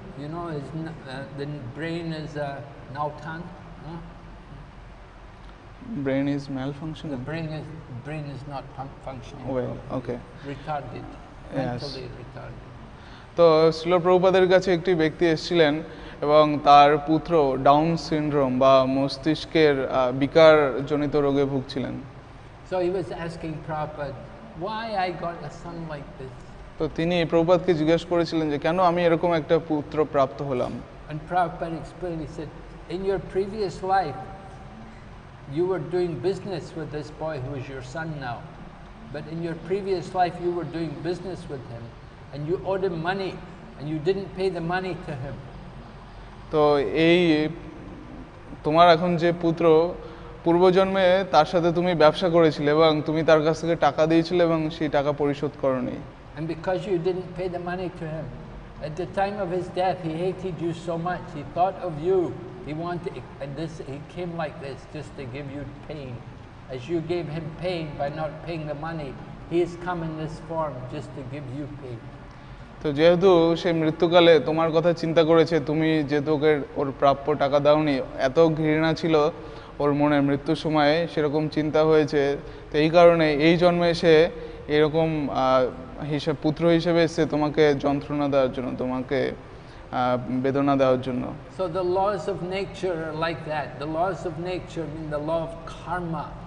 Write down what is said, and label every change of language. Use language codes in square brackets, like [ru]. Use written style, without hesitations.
[en] You know, his the brain is Nautan. Brain is malfunctioning? The brain is not functioning. Well, okay. Retarded, yes. Mentally retarded. [bn] তো শ্রীল প্রভুপাদের কাছে একটি ব্যক্তি এসেছিলেন এবং তার পুত্র ডাউন সিনড্রোম বা মস্তিষ্কের বিকার জনিত রোগে ভুগছিলেন. [en] So he was asking Prabhupada, why I got a son like this? [bn] তো তিনি প্রভুপাদকে জিজ্ঞেস করেছিলেন যে কেন আমি এরকম একটা পুত্র প্রাপ্ত হলাম. [en] And Prabhupada explained, he said, in your previous life, you were doing business with this boy who is your son now. But in your previous life, you were doing business with him. And you owed him money, and you didn't pay the money to him. [bn] তো এই তোমার এখন যে পুত্র পূর্বজন্মে তার সাথে তুমি ব্যবসা করেছিলে এবং তুমি তার কাছ থেকে টাকা দিয়েছিলে এবং সেই টাকা পরিশোধ করনি. [en] And because you didn't pay the money to him, at the time of his death, he hated you so much. He thought of you. He came like this just to give you pain. As you gave him pain by not paying the money, he has come in this form just to give you pain. [bn] তো যেহেতু সে মৃত্যুকালে তোমার কথা চিন্তা করেছে, তুমি যেহেতু ওর প্রাপ্য টাকা দাওনি, এত ঘৃণা ছিল ওর মনে মৃত্যুর সময়ে, সেরকম চিন্তা হয়েছে, তো এই কারণে এই জন্মে সে এরকম হিসেবে পুত্র হিসেবে এসে তোমাকে যন্ত্রণা দেওয়ার জন্য, তোমাকে বেদনা দেওয়ার জন্য. [en] So the laws of nature are like that. The laws of nature mean the law of karma.